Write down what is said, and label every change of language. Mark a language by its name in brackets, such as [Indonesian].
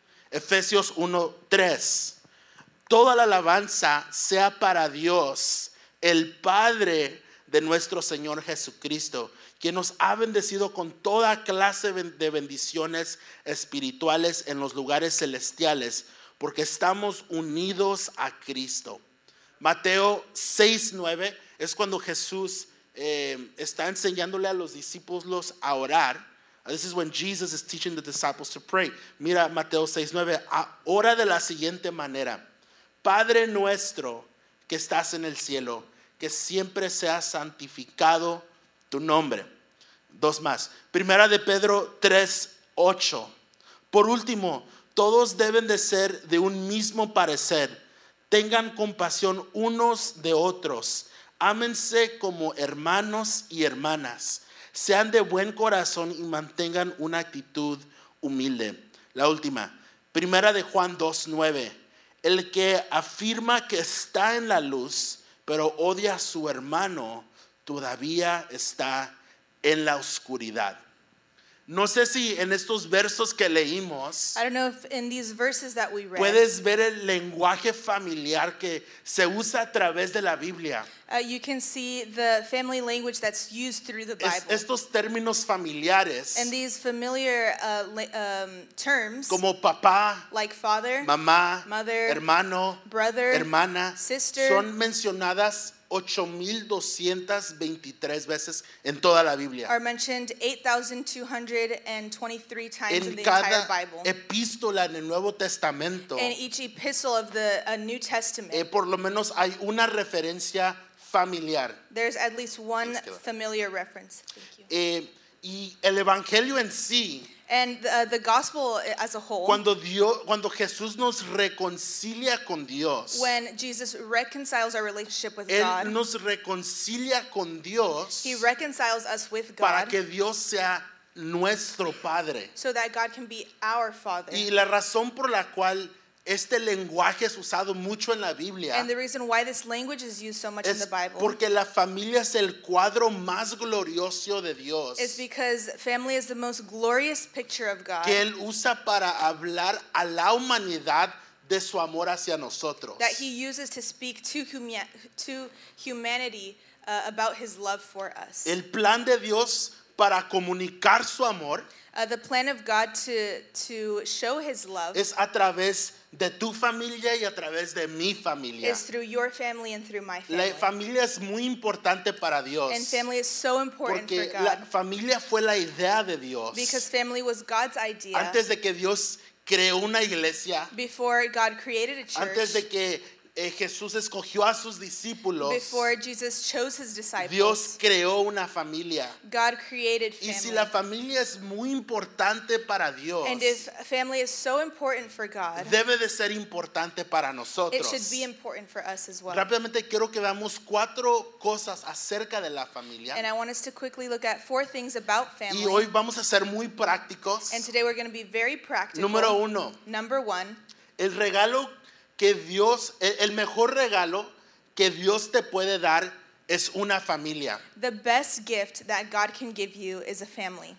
[Spanish] Efesios 1:3. Toda la alabanza sea para Dios, el Padre de nuestro Señor Jesucristo, quien nos ha bendecido con toda clase de bendiciones espirituales en los lugares celestiales, porque estamos unidos a Cristo. Mateo 6:9 es cuando Jesús está enseñándole a los discípulos a orar. [English] This is when Jesus is teaching the disciples to pray. [Spanish] Mira Mateo 6:9, ora de la siguiente manera: Padre nuestro que estás en el cielo, que siempre sea santificado tu nombre. Dos más. Primera de Pedro 3:8. Por último, todos deben de ser de un mismo parecer. Tengan compasión unos de otros. Ámense como hermanos y hermanas. Sean de buen corazón y mantengan una actitud humilde. La última. Primera de Juan 2:9. El que afirma que está en la luz, pero odia a su hermano, todavía está en la oscuridad. No sé si en estos versos que leímos, [English] I don't know if in these verses that we read, [Spanish] puedes ver el lenguaje familiar que se usa a través de la Biblia. [English] You can see the family language that's used through the Bible. [Spanish] Estos términos familiares, [English] and these familiar terms, [Spanish] como papá, [English] like father, [Spanish] mamá, [English] mother, [Spanish] hermano, [English] brother, [Spanish] hermana, [English] sister, [Spanish] son mencionadas 8,223 veces en toda la Biblia. [English] Are mentioned 8,223 times in the entire Bible. [Spanish] En cada epístola en el Nuevo Testamento. [English] In each epistle of the New Testament. [Spanish] Por lo menos hay una referencia familiar. [English] There's at least one familiar reference. Thank you. [Spanish] Y el Evangelio en sí. [English] And the gospel as a whole. [Spanish] Cuando Jesús nos reconcilia con Dios. [English] When Jesus reconciles our relationship with [Spanish] Él [English] God. [Spanish] Él nos reconcilia con Dios. [English] He reconciles us with God. [Spanish] Para que Dios sea nuestro Padre. [English] So that God can be our Father. [Spanish] Y la razón por la cual este lenguaje es usado mucho en la Biblia. [English] And the reason why this language is used so much in the Bible. [Spanish] Porque la familia es el cuadro más glorioso de Dios. [English] It's because family is the most glorious picture of God. [Spanish] Que Él usa para hablar a la humanidad de su amor hacia nosotros. [English] That He uses to speak to humanity about His love for us. [Spanish] El plan de Dios para comunicar su amor. [English] The plan of God to show His love. [Spanish] Es a través de tu familia y a través de mi familia. [English] It's through your family and through my family. [Spanish] La familia es muy importante para Dios. [English] And family is so important for God. [Spanish] Porque la familia fue la idea de Dios. [English] Because family was God's idea. [Spanish] Antes de que Dios creó una iglesia. [English] Before God created a church. [Spanish] Antes de que Jesús escogió a sus discípulos. [English] Before Jesus chose his disciples. [Spanish] Dios creó una familia. [English] God created family. [Spanish] Y si la familia es muy importante para Dios. [English] And if family is so important for God. [Spanish] Debe de ser importante para nosotros. [English] It should be important for us as well. [Spanish] Rápidamente quiero que veamos cuatro cosas acerca de la familia. [English] And I want us to quickly look at four things about family. [Spanish] Y hoy vamos a ser muy prácticos. [English] And today we're going to be very practical. [Spanish] Número uno. [English] Number one. [Spanish] El regalo que Dios, el mejor regalo que Dios te puede dar es una familia. [English] The best gift that God can give you is a family.